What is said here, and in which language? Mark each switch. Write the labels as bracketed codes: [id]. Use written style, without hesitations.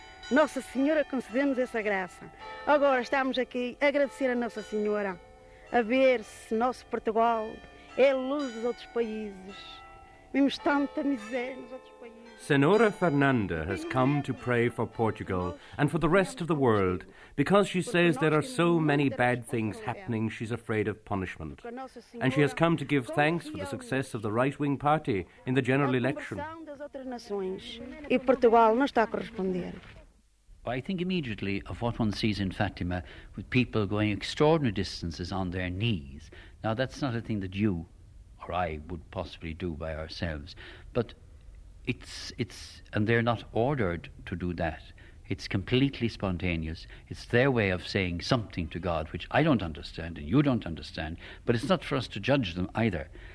[pt] Nossa Senhora concedeu-nos essa graça. Agora estamos aqui a agradecer a Nossa Senhora, a ver se nosso Portugal é a luz dos outros países. Vimos tanta miséria nos outros países. [en] Senhora Fernanda has come to pray for Portugal and for the rest of the world because she says there are so many bad things happening, she's afraid of punishment. And she has come to give thanks for the success of the right-wing party in the general election. [pt] E Portugal não está a corresponder. [en] I think immediately of what one sees in Fatima with people going extraordinary distances on their knees. Now, that's not a thing that you or I would possibly do by ourselves, but it's and they're not ordered to do that. It's completely spontaneous. It's their way of saying something to God, which I don't understand and you don't understand, but it's not for us to judge them either.